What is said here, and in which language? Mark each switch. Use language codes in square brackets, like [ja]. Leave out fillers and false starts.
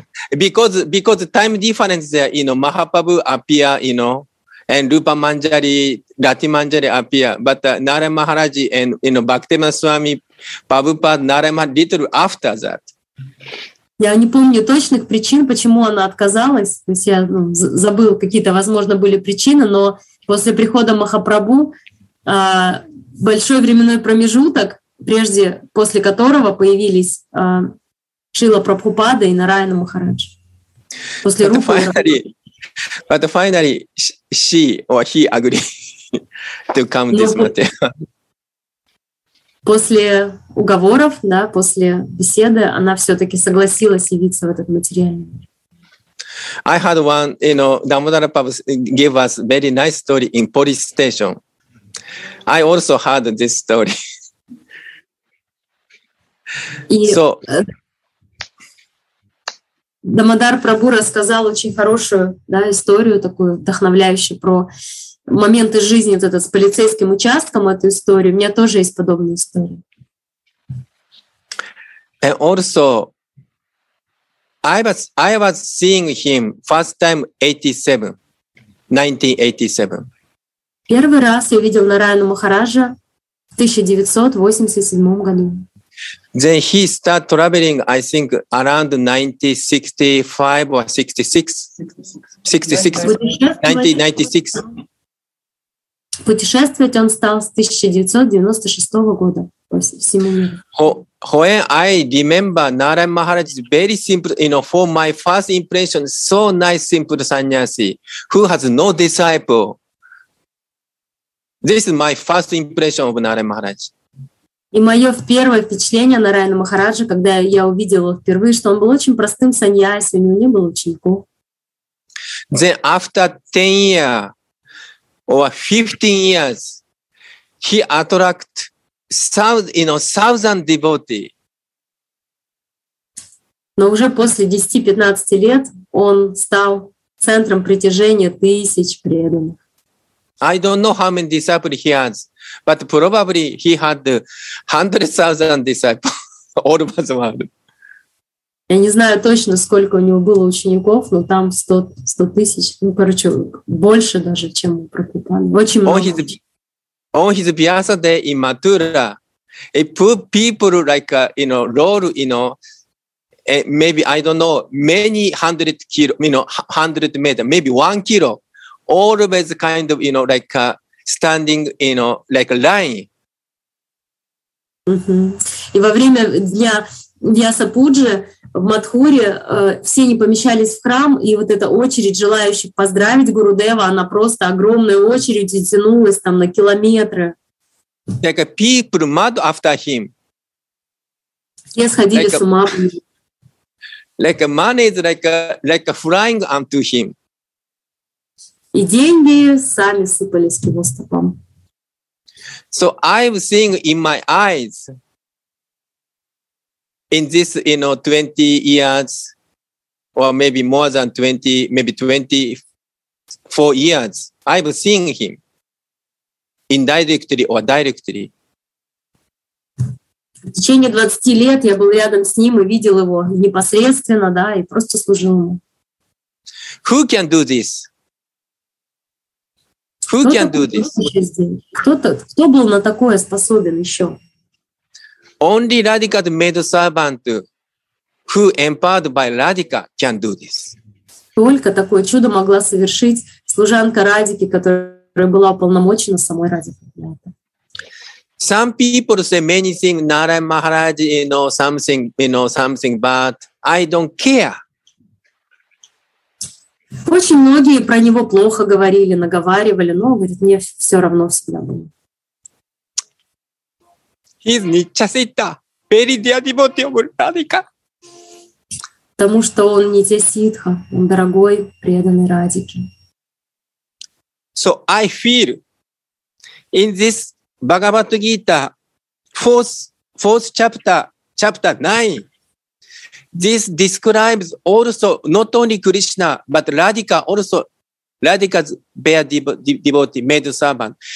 [en] Because time difference there, you know, Mahaprabhu appear, you know, and Rupa Manjari, Rati Manjari appear, but Narayana Maharaj and, you know, Bhaktivinoda Swami, Prabhupada, Narayana Maharaj, little after that. [ru] Я не помню точных причин, почему она отказалась. То есть я забыл, какие-то, возможно, были причины, но после прихода Махапрабху большой временной промежуток, прежде после которого появились Шрила Прабхупада и Нараяна Махарадж. После Рупа и Рупа. [en] But finally, she or he agreed to come this material. [ru] После уговоров, да, после беседы, она все-таки согласилась явиться в этот материальный мир. [en] I had one, you know, Damodar Prabhu gave us very nice story in police station. I also had this story. So. [ru] Дамодар Прабху рассказал очень хорошую, да, историю, такую вдохновляющую, про моменты жизни вот этот, с полицейским участком, эту историю. У меня тоже есть подобная история. [en] And also, I was seeing him first time 1987. [ru] Первый раз я видел Нараяну Махараджа в 1987 году. [en] Then he start traveling, I think, around 1965 or 1966. [ru] Путешествовать он стал с 1996 года по всему миру. [en] When I remember Narayana Maharaj is very simple, you know, for my first impression, so nice, simple sannyasi, who has no disciple. This is my first impression of Narayana Maharaj. [ru] И мое первое впечатление на Райана Махараджа, когда я увидела впервые, что он был очень простым саньяси, у него не было учеников. [en] Then after 10 years or 15 years, he attract thousand, you know, thousand devotee. [ru] Но уже после 10-15 лет он стал центром притяжения тысяч преданных. [en] I don't know how many disciples he has, but probably he had 100,000 disciples all over the world. [ru] Я не знаю точно, сколько у него было учеников, но там 100 тысяч, ну, короче, больше даже, чем у Прабхупады. Очень много. [en] On his birthday in Mathura, people like, you know, roll, you know, maybe, I don't know, many hundred kilo, you know, 100 meter, maybe 1 kilo, always kind of, you know, like standing, you know, like a line. Mm-hmm. [ru] И во время дня Вьясапуджи в Матхуре все не помещались в храм, и вот эта очередь желающих поздравить Гурудева, она просто огромная очередь и тянулась там на километры. [en] Like people mad after him. [ru] Все сходили [en] like [ru] с ума. [en] Like money is like flying unto him. [ru] И деньги сами сыпались к его стопам. [en] So I'm seeing in my eyes in this, you know, 20 years or maybe more than 20, maybe 24 years, I'm seeing him indirectly or directly. [ru] В течение 20 лет я был рядом с ним и видел его непосредственно, да, и просто служил ему. [en] Who can do this? Who [ru] кто [en] can do this? [ru] Кто был на такое способен еще? [en] Only Radhika the maid servant who empowered by Radhika can do this. [ru] Только такое чудо могла совершить служанка Радики, которая была уполномочена самой Радикой. [en] Some people say many things, Narayan Maharaj, something bad. I don't care. [ru] Очень многие про него плохо говорили, наговаривали, но, говорит, мне все равно всегда было. [en] He's Nityasita, very dear devotee of Radhika. [ru] Потому что он Нитясидха, он дорогой, преданный Радике. [en] So I feel in this Bhagavad Gita, fourth chapter 9, this describes also not only Krishna, but Radhika also, Radhika's bare devotee, maid servant.